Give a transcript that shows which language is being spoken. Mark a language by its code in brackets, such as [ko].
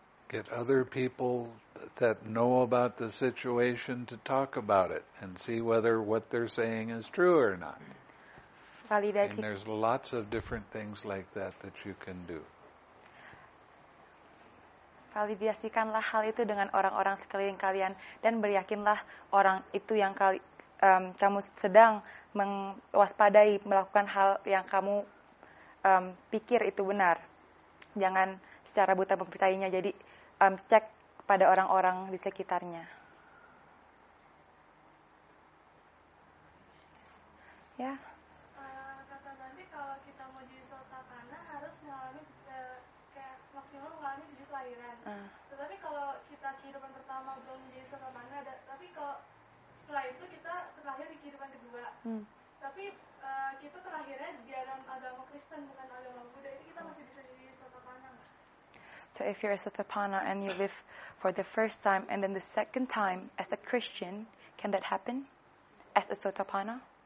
[en] Get other people that know about the situation to talk about it and see whether what they're saying is true or not. [id] Validasi. [en] And there's lots of different things like that you can do. [id] validasikanlah hal itu dengan orang-orang sekeliling kalian dan beryakinlah orang itu yang kamu sedang mewaspadai melakukan hal yang kamu pikir itu benar. Jangan secara buta mempercayainya. Jadi cek pada orang-orang di sekitarnya. Ya. Yeah. Kata nanti kalau kita mau jadi sota tanah harus mengalami kayak maksimal mengalami 7 kelahiran. Tetapi kalau kita kehidupan pertama belum jadi sota tanah, tapi kalau setelah itu kita terlahir di kehidupan kedua. Tapi kita terlahirnya di dalam agama Kristen bukan agama Buddha, itu kita masih bisa jadi sota tanah. [en] So if you're a sotapanna and you live for the first time and then the second time as a Christian, can that happen as a sotapanna?